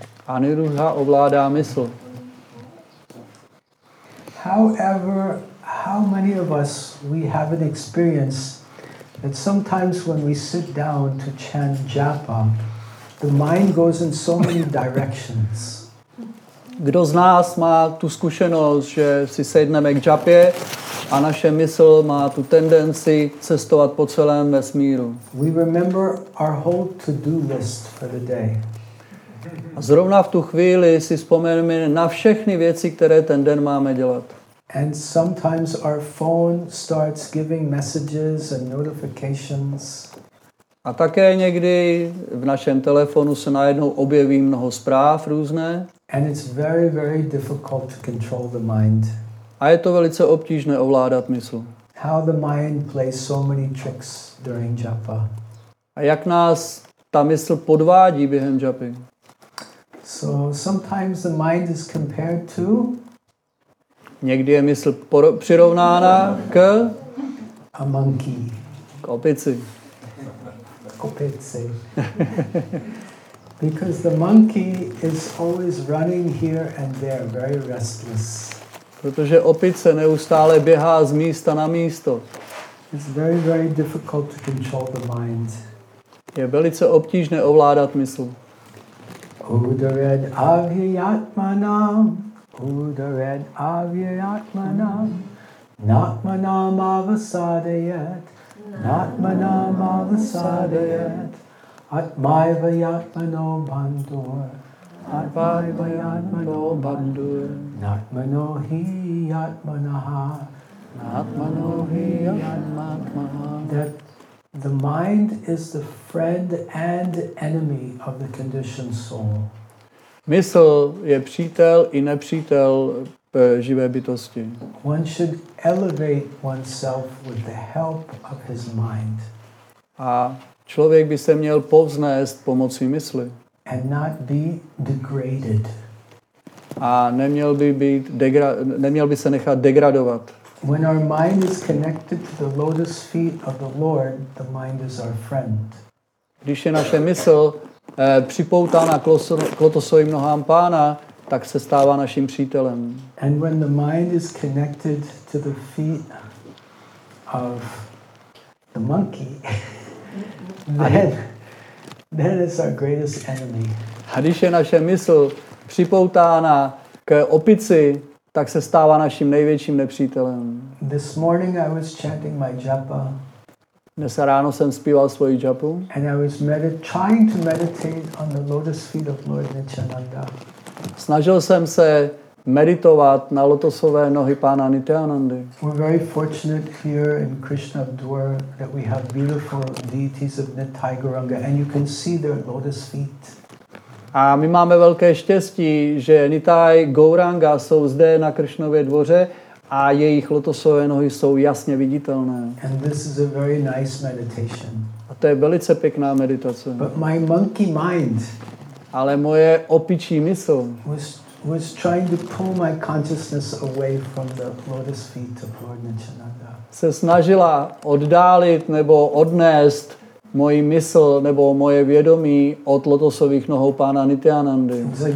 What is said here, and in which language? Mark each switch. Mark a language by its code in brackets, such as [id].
[cs] Aniruddha ovládá mysl. [en] However, how many of us we have an experience that sometimes when we sit down to chant japa, the mind goes in so many directions. [cs] Kdo z nás má tu zkušenost, že si sedneme k džapě a naše mysl má tu tendenci cestovat po celém vesmíru? [en] We remember our whole to-do list for the day. [cs] A zrovna v tu chvíli si vzpomeneme na všechny věci, které ten den máme dělat. [en] And sometimes our phone starts giving messages and notifications. [cs] A také někdy v našem telefonu se najednou objeví mnoho zpráv různé. [en] And it's very, very difficult to control the mind. [cs] A je to velice obtížné ovládat mysl. [en] How the mind plays so many tricks during japa. [cs] A jak nás ta mysl podvádí během japy. [en] So sometimes the mind is compared to. [cs] Někdy je mysl přirovnána k. [en] A monkey. [cs] K opici. Opici. [en] Because the monkey is always running here and there, very restless. [cs] Protože opice neustále běhá z místa na místo. [en] It's very, very difficult to control the mind. [cs] Je velice obtížné ovládat mysl. [sa] Udared avyatmana, udared avyatmana, natmanam avasadayat, natmanam avasadayat. Atmaiva yatmano bandur, atmaiva yatmano bandur, natmano hi yatmanaha, natmano hi yatmanaha. [en] That the mind is the friend and enemy of the conditioned soul. [cs] Mysl je přítel i nepřítel živé bytosti. [en] One should elevate oneself with the help of his mind. [cs] A člověk by se měl povznést pomocí mysli. [en] And not be degraded. [cs] A neměl by být neměl by se nechat degradovat. [en] When our mind is connected to the lotus feet of the Lord, the mind is our friend. [cs] Když je naše mysl připoutána k lotosovým nohám pána, tak se stává naším přítelem. [en] And when the mind is connected to the feet of the monkey, then it's our greatest enemy. [cs] A když je naše mysl připoutána k opici, tak se stává naším největším nepřítelem. [en] This morning I was chanting my japa. [cs] Dnes ráno jsem zpíval svoji japu. [en] And I was trying to meditate on the lotus feet of Lord Nityananda. [cs] Snažil jsem se meditovat na lotosové nohy pána Nityanandy. [en] We're very fortunate here in Krishnadwar that we have beautiful deities of Nityagaranga and you can see their lotus feet. [cs] A my máme velké štěstí, že Nitai Gauranga jsou zde na Krishnově dvoře a jejich lotosové nohy jsou jasně viditelné. [en] And this is a very nice meditation. [cs] A to je velice pěkná meditace. [en] But my monkey mind, [cs] ale moje opičí mysl, [en] was trying to pull my consciousness away from the lotus feet of Lord Nityananda. [cs] Se snažila oddálit nebo odnést moji mysl nebo moje vědomí od lotosových nohou pána Nityanandy.